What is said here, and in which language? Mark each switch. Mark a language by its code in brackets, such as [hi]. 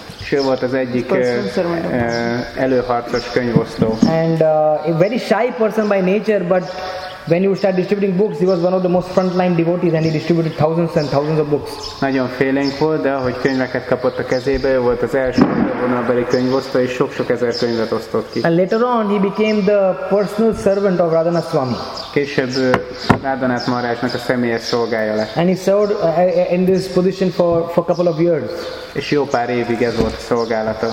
[hu] És ő volt az egyik előharcos könyvosztó. [en] And a very shy person by nature, but when you start distributing books, he was one of the most frontline devotees, and he distributed thousands and thousands of books. [hu] Nagyon félénk volt, de ahogy könyveket kapott a kezébe, ő volt az első vonalbeli könyvosztó, és sok-sok ezer könyvet osztott ki. [en] And later on, he became the personal servant of Radhanath Swami. [hu] Később Radhanath Maharajnak a személyes szolgája lett. [en] And he served in this position for a couple of years. [hu] És jó pár évig ez volt a szolgálata.